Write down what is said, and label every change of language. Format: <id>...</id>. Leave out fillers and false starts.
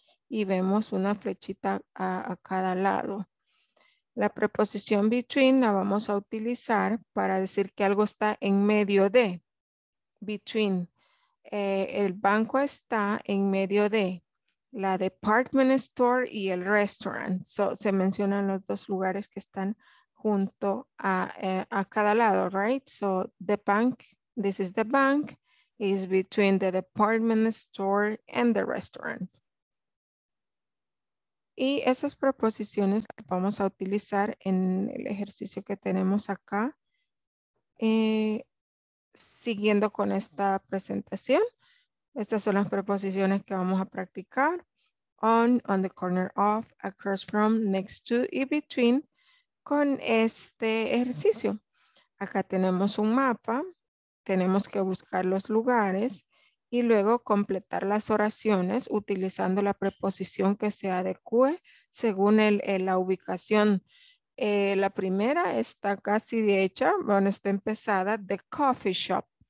<es>Y vemos una flechita a cada lado. La preposición between la vamos a utilizar para decir que algo está en medio de. Between, el banco está en medio de la department store y el restaurant. So, se mencionan los dos lugares que están junto a cada lado, right?</es> <en>So the bank, this is the bank, is between the department store and the restaurant.</en> <es>Y esas preposiciones que vamos a utilizar en el ejercicio que tenemos acá, siguiendo con esta presentación, estas son las preposiciones que vamos a practicar.</es> <en>On the corner of, across from, next to y between.</en> <es>Con este ejercicio, acá tenemos un mapa, tenemos que buscar los lugares y luego completar las oraciones utilizando la preposición que se adecue según la ubicación. La primera está casi de hecha, bueno, está empezada, the coffee shop.</es>